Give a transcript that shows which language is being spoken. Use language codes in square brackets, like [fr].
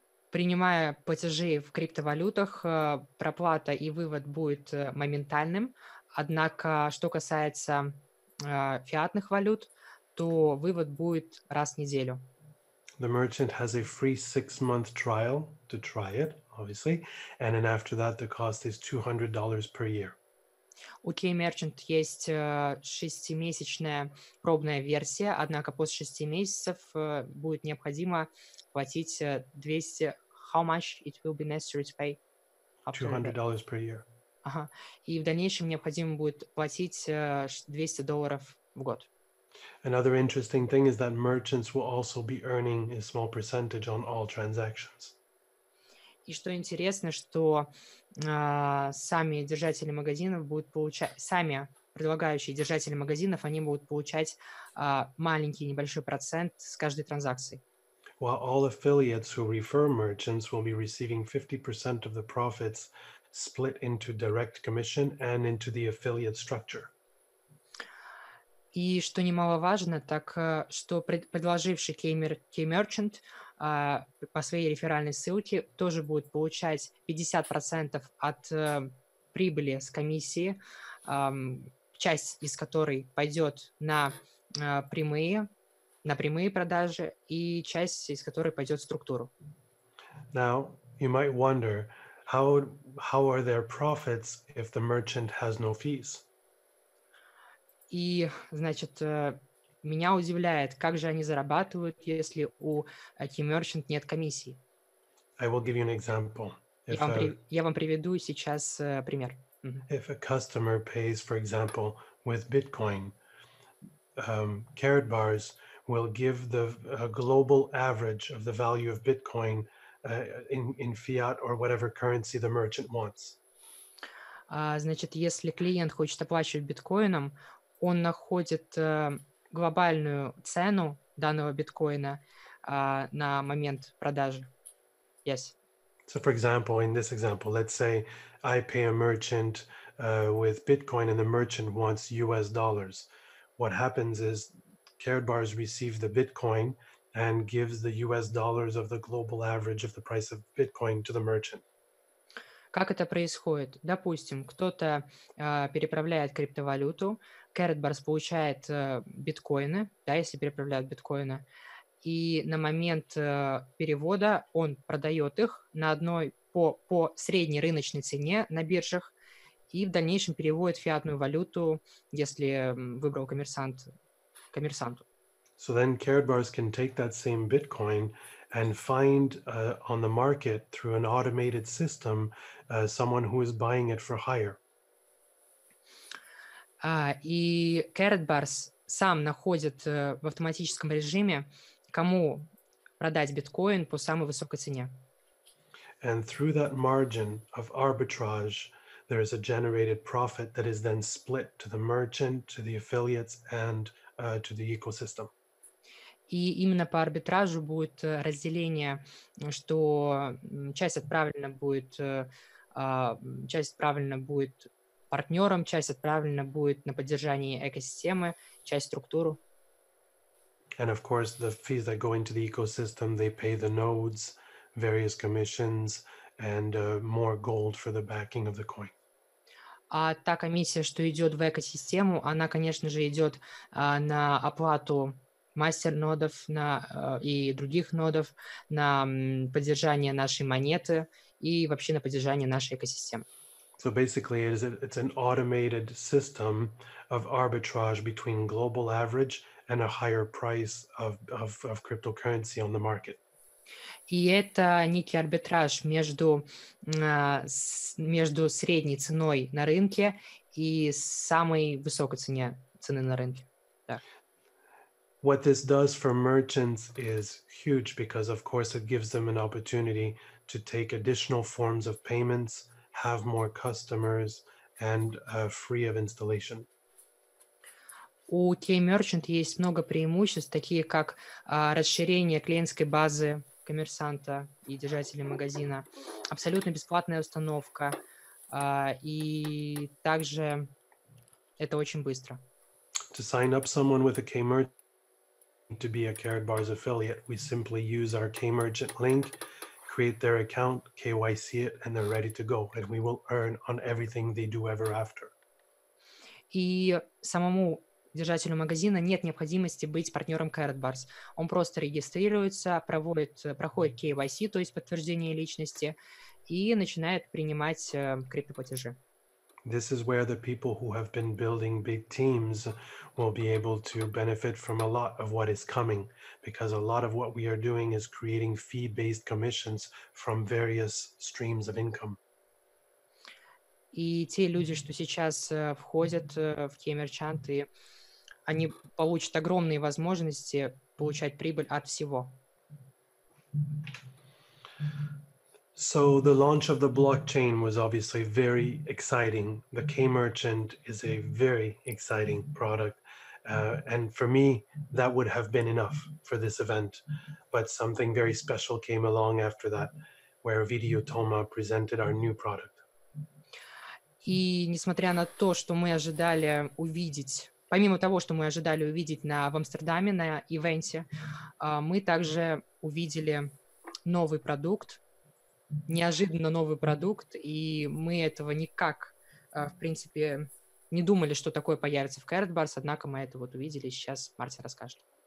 [ru] Принимая платежи в криптовалютах, проплата и вывод будет моментальным. Однако, что касается фиатных валют, то вывод будет раз в неделю. [en] The merchant has a free 6-month trial to try it, obviously, and then after that the cost is $200 per year. [ru] У K-Merchant есть 6-месячная пробная версия, однако после 6 месяцев будет необходимо платить 200. [en] How much it will be necessary to pay? $200 per year. [ru] Ага. И в дальнейшем необходимо будет платить $200 в год. [en] Another interesting thing is that merchants will also be earning a small percentage on all transactions. [ru] И что интересно, что сами держатели магазинов будут получать, сами предлагающие держатели магазинов, они будут получать маленький небольшой процент с каждой транзакции. [en] While all affiliates who refer merchants will be receiving 50% of the profits split into direct commission and into the affiliate structure. [ru] И что немаловажно, так что предложивший K-Merchant по своей реферальной ссылке тоже будет получать 50% от прибыли с комиссии, часть из которой пойдет на прямые продажи и часть из которой пойдет в структуру. [en] Now, you might wonder, how are their profits if the merchant has no fees? [ru] И, меня удивляет, как же они зарабатывают, если у K-Merchant нет комиссии. [en] I will give you an example. [ru] Я вам приведу сейчас пример. [en] If a customer pays, for example, with Bitcoin, Karat Bars will give the global average of the value of Bitcoin in fiat or whatever currency the merchant wants. [ru] Значит, если клиент хочет оплачивать биткоином, он находит глобальную цену данного биткоина на момент продажи. [en] Yes. So, for example, in this example, let's say I pay a merchant with Bitcoin and the merchant wants US dollars. What happens is Karat Bars receive the Bitcoin and gives the US dollars of the global average of the price of Bitcoin to the merchant. [ru] Как это происходит? Допустим, кто-то переправляет криптовалюту, Karat Bars получает биткоины, да, если переправляют биткоины, и на момент перевода он продает их на одной по средней рыночной цене на биржах и в дальнейшем переводит фиатную валюту, если выбрал коммерсант, коммерсанту. [en] So then Karat Bars can take that same Bitcoin and find on the market through an automated system someone who is buying it for hire. [ru] И Karat Bars сам находит в автоматическом режиме, кому продать биткоин по самой высокой цене. [en] And through that margin of arbitrage, there is a generated profit that is then split to the merchant, to the affiliates, and to the ecosystem. [ru] И именно по арбитражу будет разделение, что часть отправлена будет партнерам, часть отправлена будет на поддержание экосистемы, часть структуру. [en] And of course, the fees that go into the ecosystem, they pay the nodes, various commissions, and more gold for the backing of the coin. [ru] А та комиссия, что идет в экосистему, она, конечно же, идет на оплату мастер-нодов и других нодов, на поддержание нашей монеты и вообще на поддержание нашей экосистемы. [en] So basically, it's an automated system of arbitrage between global average and a higher price of cryptocurrency on the market. [ru] И это некий арбитраж между средней ценой на рынке и самой высокой цены на рынке. Так. [en] What this does for merchants is huge because, of course, it gives them an opportunity to take additional forms of payments, have more customers, and free of installation. [ru] У K-Merchant есть много преимуществ, такие как расширение клиентской базы коммерсанта и держателя магазина, абсолютно бесплатная установка, и также это очень быстро. [en] To sign up someone with a K-Merchant to be a Karat Bars affiliate, we simply use our K-Merchant link, create their account, KYC it, and they're ready to go. And we will earn on everything they do ever after. [ru] И самому держателю магазина нет необходимости быть партнером Karat Bars. Он просто регистрируется, проходит KYC, то есть подтверждение личности, и начинает принимать криптоплатежи. [en] This is where the people who have been building big teams will be able to benefit from a lot of what is coming, because a lot of what we are doing is creating fee-based commissions from various streams of income. [ru] И те люди, что сейчас входят в K-Merchant, они получат огромные возможности получать прибыль от всего. [en] So the launch of the blockchain was obviously very exciting. The K-Merchant is a very exciting product. And for me, that would have been enough for this event. But something very special came along after that, where Video Toma presented our new product. [ru] И несмотря на то, что мы ожидали увидеть, помимо того, что мы ожидали увидеть в Амстердаме на ивенте, мы также увидели новый продукт, неожиданно новый продукт, и мы этого никак, в принципе, не думали, что такое появится в Karat Bars, однако мы это вот увидели, сейчас Мартин расскажет.